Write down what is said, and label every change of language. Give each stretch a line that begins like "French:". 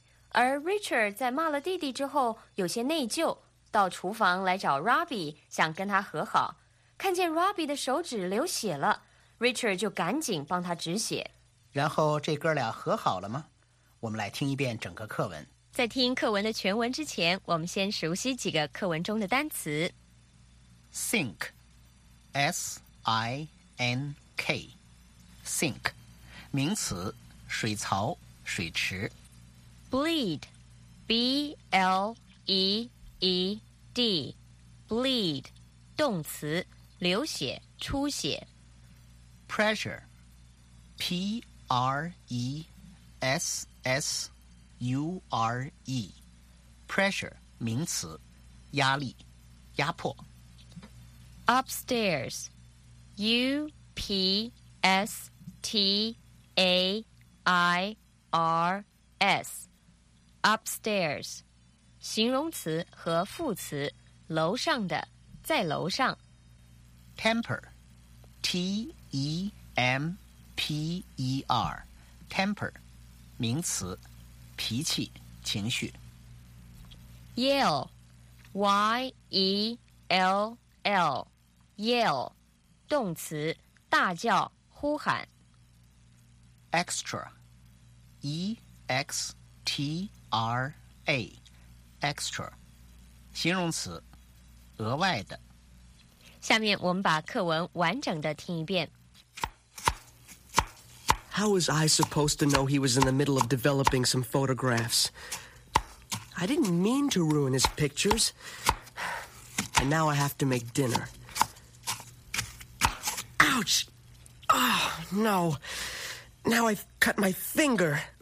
Chinese: 而 Richard 在骂了弟弟之后有些内疚，到厨房来找 Robbie， 想跟他和好。看见 Robbie 的手指流血了， Richard 就赶紧帮他止血。然后这哥俩和好了吗？我们来听一遍整个课文。在听课文的全文之前，我们先熟悉几个课文中的单词。 Sink， S-I-N-K， Sink， 名词，水槽、水池。 Bleed， B-L-E-D， Bleed， 动词，流血、出血。 Pressure， P-R-E-S-S-U-R-E， Pressure， 名词，压力、压迫。 Upstairs， U-P-S-T-A-I-R-S， Upstairs，形容词和副词，楼上的，在楼上。 Temper， T-E-M-P-E-R， Temper， 名词，脾气、情绪。 Yell， Y-E-L-L， Yell， 动词，大叫、呼喊。 Extra， E-X-T-R-A，extra， 形容词，额外的。下面我们把课文完整的听一遍。
English: How was I supposed to know he was in the middle of developing some photographs? I didn't mean to ruin his pictures. And now I have to make dinner. Ouch! Oh, no. Now I've cut my finger.